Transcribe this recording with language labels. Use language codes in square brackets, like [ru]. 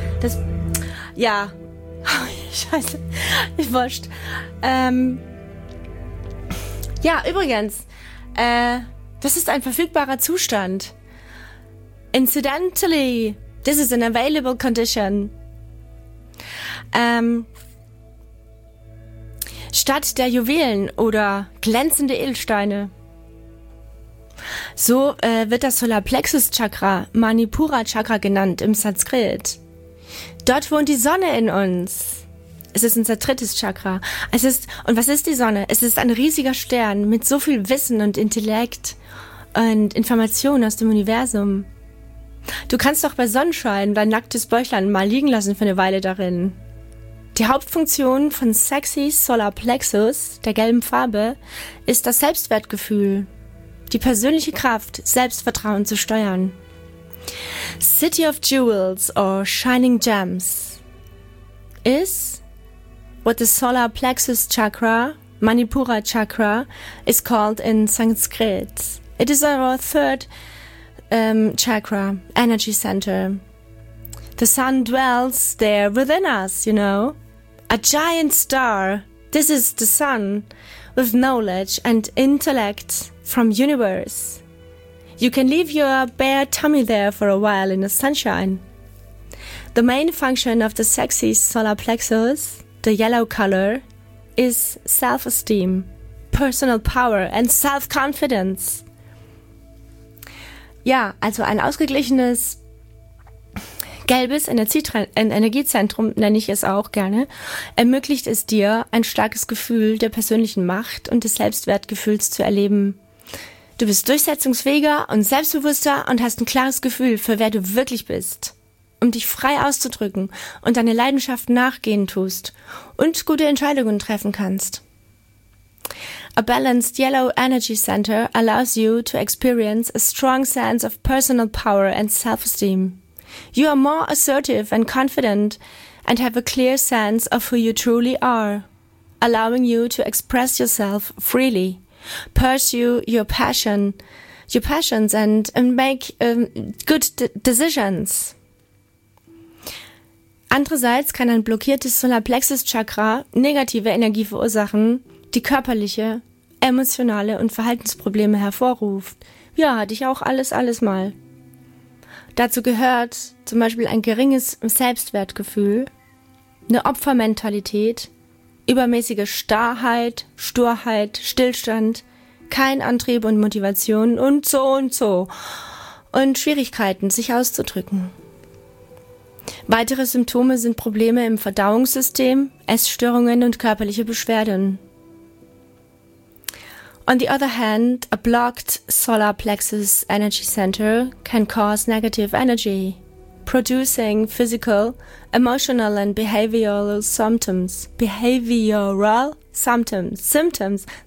[de] Das, ja, scheiße, ich wurscht. Ja, übrigens, das ist ein verfügbarer Zustand. [en] Incidentally, this is an available condition. [de] Statt der Juwelen oder glänzende Edelsteine. So wird das Solarplexus-Chakra Manipura-Chakra genannt im Sanskrit. Dort wohnt die Sonne in uns. Es ist unser drittes Chakra. Es ist, und was ist die Sonne? Es ist ein riesiger Stern mit so viel Wissen und Intellekt und Informationen aus dem Universum. Du kannst doch bei Sonnenschein dein nacktes Bäuchlein mal liegen lassen für eine Weile darin. Die Hauptfunktion von Sexy Solar Plexus, der gelben Farbe, ist das Selbstwertgefühl, die persönliche Kraft, Selbstvertrauen zu steuern. [en] City of Jewels or Shining Gems is what the Solar Plexus Chakra, Manipura Chakra, is called in Sanskrit. It is our third chakra, energy center. The sun dwells there within us, you know. A giant star, this is the sun, with knowledge and intellect from universe. You can leave your bare tummy there for a while in the sunshine. The main function of the sexy solar plexus, the yellow color, is self-esteem, personal power and self-confidence. [de] Ja, also ein ausgeglichenes gelbes Energiezentrum, nenne ich es auch gerne, ermöglicht es dir, ein starkes Gefühl der persönlichen Macht und des Selbstwertgefühls zu erleben. Du bist durchsetzungsfähiger und selbstbewusster und hast ein klares Gefühl, für wer du wirklich bist. Um dich frei auszudrücken und deine Leidenschaft nachgehen tust und gute Entscheidungen treffen kannst. [en] A balanced yellow energy center allows you to experience a strong sense of personal power and self-esteem. You are more assertive and confident and have a clear sense of who you truly are, allowing you to express yourself freely, pursue your passion, your passions, and make good decisions. [de] Andererseits kann ein blockiertes Solarplexus-Chakra negative Energie verursachen, die körperliche, emotionale und Verhaltensprobleme hervorruft. Ja, hatte ich auch alles mal. Dazu gehört zum Beispiel ein geringes Selbstwertgefühl, eine Opfermentalität, übermäßige Starrheit, Sturheit, Stillstand, kein Antrieb und Motivation und so und so. Und Schwierigkeiten, sich auszudrücken. Weitere Symptome sind Probleme im Verdauungssystem, Essstörungen und körperliche Beschwerden. [en] On the other hand, a blocked solar plexus energy center can cause negative energy, producing physical, emotional and behavioral symptoms.